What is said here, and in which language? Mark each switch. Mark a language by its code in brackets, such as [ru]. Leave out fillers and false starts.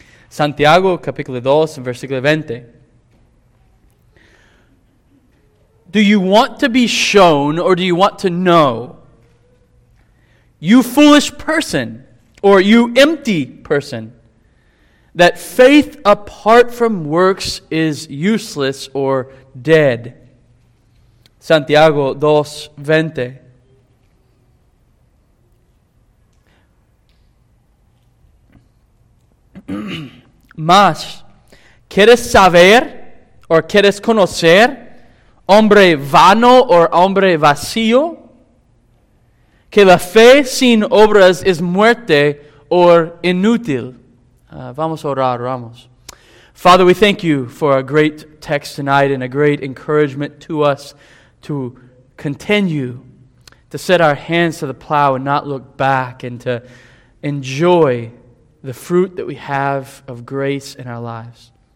[es] Santiago capítulo 2 and versículo 20. [en] Do you want to be shown or do you want to know? You foolish person, or you empty person, that faith apart from works is useless or dead. [es] Santiago 2, 20. Mas, ¿quieres saber o quieres conocer, hombre vano o hombre vacío? Que la fe sin obras es muerte o inútil. Vamos a orar, vamos. [en] Father, we thank you for a great text tonight and a great encouragement to us to continue to set our hands to the plow and not look back and to enjoy the fruit that we have of grace in our lives.